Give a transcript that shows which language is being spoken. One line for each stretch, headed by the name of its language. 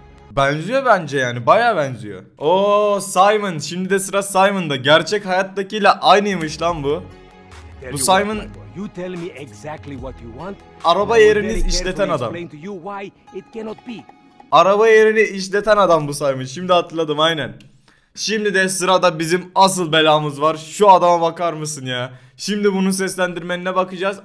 Turkish: Benziyor bence yani, bayağı benziyor. Ooo Simon, şimdi de sıra Simon'da. Gerçek hayattakiyle aynıymış lan bu. Bu Simon...
English: You tell me exactly what you want.
Turkish: Araba yerini işleten adam. Araba yerini işleten adam bu Simon. Şimdi hatırladım, aynen. Şimdi de sırada bizim asıl belamız var. Şu adama bakar mısın ya? Şimdi bunun seslendirmenine bakacağız.